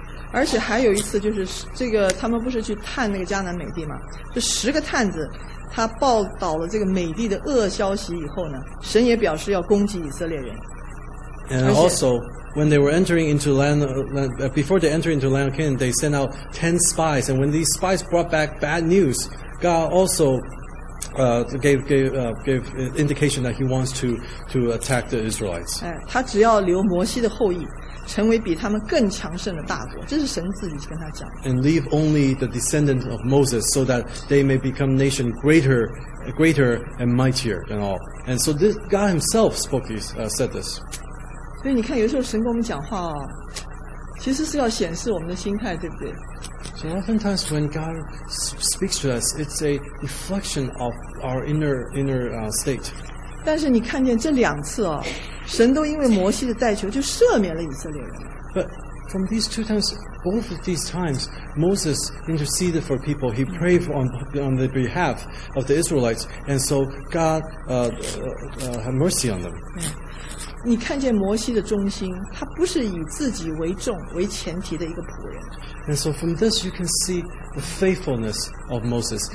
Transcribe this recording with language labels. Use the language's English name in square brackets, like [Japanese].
[Chinese] 而且还有一次就是这个，他们不是去探那个迦南美地吗？这十个探子，他报道了这个美地的恶消息以后呢，神也表示要攻击以色列人。 [English] And also, when they were entering into land, before they entered into the land of Canaan, they sent out 10 spies. And when these spies brought back bad news, God also gave indication that he wants to attack the Israelites. [Chinese] 他只要留摩西的后裔，成为比他们更强盛的大国，这是神自己跟他讲的。 [English] And leave only the descendant of Moses so that they may become nation greater and mightier than all. And so this God himself spoke this, said this. [Chinese] 所以你看，有时候神跟我们讲话哦，其实是要显示我们的心态，对不对？ [English] So oftentimes when God speaks to us, it's a reflection of our inner state. [Chinese] 但是你看见这两次哦，神都因为摩西的代求就赦免了以色列人。 [English] But from these two times, both of these times, Moses interceded for people. He prayed on the behalf of the Israelites, and so God had mercy on them. [Chinese] 你看见摩西的忠心，他不是以自己为重为前提的一个仆人。 [English] And so from this you can see the faithfulness of Moses.